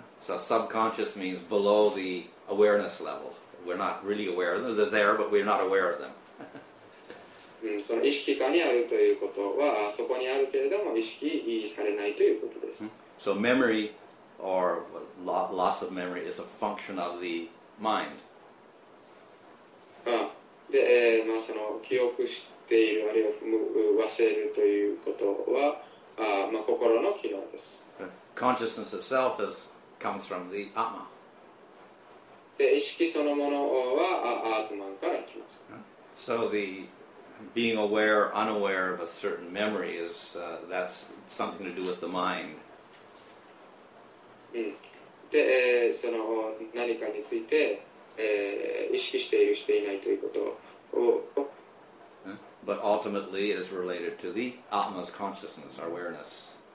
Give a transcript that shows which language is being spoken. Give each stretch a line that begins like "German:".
English: So subconscious means below the awareness level We're not really aware of them They're there but we're not aware of them
Japanese: その意識下にあるということはそこにあるけれども意識されないということです
English: So memory or loss of memory is a function of the mind
Japanese: で、まあ、その記憶しているあるいは忘れるということは、まあ、心の機能です。
English: Consciousness itself is, comes from the Atma.
Japanese: で意識そのものはアートマンから来ます。
English: So the being aware, unaware of a certain memory is, that's something to do with the mind.
Japanese: で、その何かについて意識しているしていないということを
English: But ultimately it is related to the Atma's consciousness, our awareness.